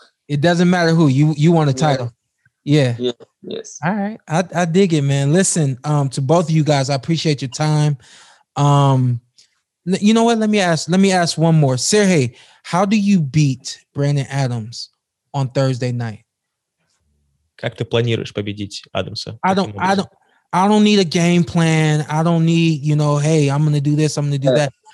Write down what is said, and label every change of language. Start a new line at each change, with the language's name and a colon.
English: It doesn't matter who. You want a title? Yeah. Yeah. Yes. All right. I dig it, man. Listen, to both of you guys, I appreciate your time. You know what? Let me ask one more. Serhii, how do you beat Brandon Adams on Thursday night?
Russian: Как ты планируешь победить Адамса?
English: I don't need a game plan. I don't need, you know, hey, I'm going to do this, I'm going to do that.